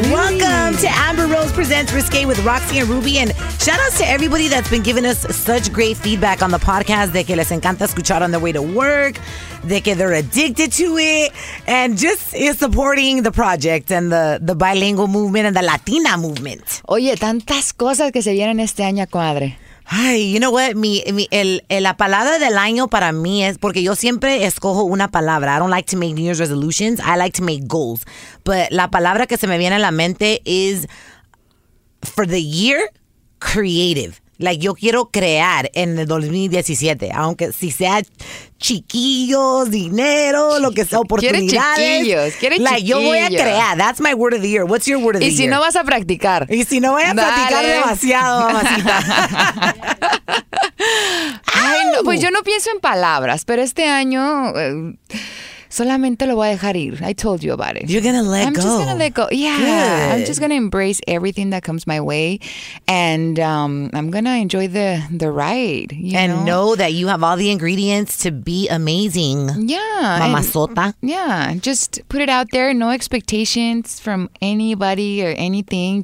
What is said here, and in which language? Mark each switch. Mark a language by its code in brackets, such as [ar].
[en] Welcome to Amber Rose Presents Risqué with RaqC and Rubi. And shout outs to everybody that's been giving us such great feedback on the podcast. [es] De que les encanta escuchar [en] on their way to work. [es] De que [en] they're addicted to it. And just supporting the project and the bilingual movement and the Latina movement. [es] Oye, tantas cosas que se vienen este año, comadre. [en] Ay, you know what? [es] La palabra del año para mí es, porque yo siempre escojo una palabra. [en] I don't like to make New Year's resolutions. I like to make goals. But [es] la palabra que se me viene a la mente [en] is, for the year, creative. [es] Like, yo quiero crear en el 2017, aunque si sea chiquillos, dinero, lo que sea, oportunidades. Quiere chiquillos, quiere [en] like, [es] chiquillos. Like, yo voy a crear. [en] That's my word of the year. What's your word of the year? [es] Y si no vas a practicar. Y si no voy a practicar demasiado, mamacita. Ay, no, pues yo no pienso en palabras, pero este año... Solamente lo voy a dejar ir. [en] I told you about it. You're going to let I'm go. I'm just going to let go. Yeah. Good. I'm just going to embrace everything that comes my way. And I'm going to enjoy the ride. You and know that you have all the ingredients to be amazing. Yeah. [es] Mamazota. [en] Yeah. Just put it out there. No expectations from anybody or anything.